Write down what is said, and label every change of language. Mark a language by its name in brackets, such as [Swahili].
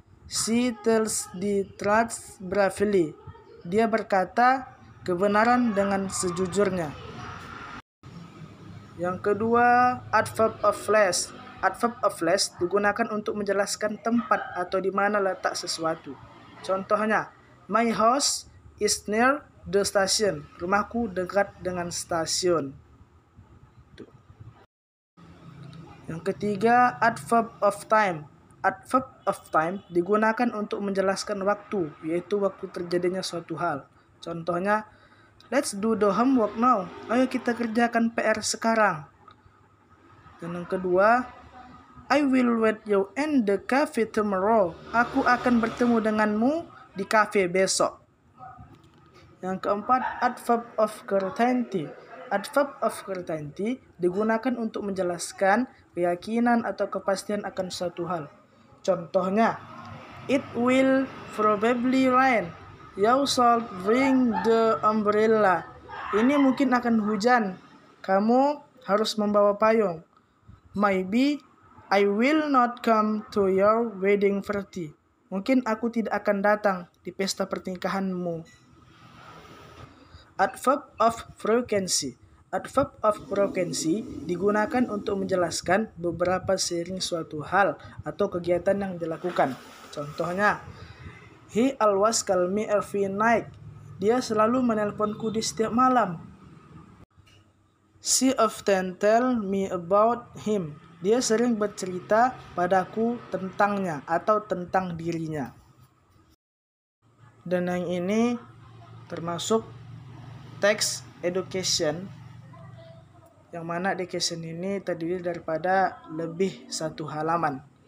[English] She tells the truth bravely. [Indonesian] Dia berkata kebenaran dengan sejujurnya. Yang kedua, adverb of place. Adverb of place digunakan untuk menjelaskan tempat atau di mana letak sesuatu. [English] Contohnya, my house is near the station. [Indonesian] Rumahku dekat dengan stasiun. Yang ketiga, adverb of time. Adverb of time digunakan untuk menjelaskan waktu, yaitu waktu terjadinya suatu hal. [English] Contohnya, let's do the homework now. [Indonesian] Ayo kita kerjakan PR sekarang. Dan yang kedua, [English] I will wait you in the cafe tomorrow. [Indonesian] Aku akan bertemu denganmu di cafe besok. Yang keempat, adverb of certainty. Adverb of certainty digunakan untuk menjelaskan keyakinan atau kepastian akan suatu hal. [English] Contohnya, it will probably rain. You shall bring the umbrella. [Indonesian] Ini mungkin akan hujan. Kamu harus membawa payung. [English] Maybe I will not come to your wedding party. [Indonesian] Mungkin aku tidak akan datang di pesta pernikahanmu. Adverb of frequency. Adverb of frequency digunakan untuk menjelaskan beberapa sering suatu hal atau kegiatan yang dilakukan. [English] Contohnya, he always call me every night. [Indonesian] Dia selalu menelponku di setiap malam. [English] She often tell me about him. [Indonesian] Dia sering bercerita padaku tentangnya atau tentang dirinya. Dan yang ini termasuk text education, yang mana education ini terdiri daripada lebih satu halaman.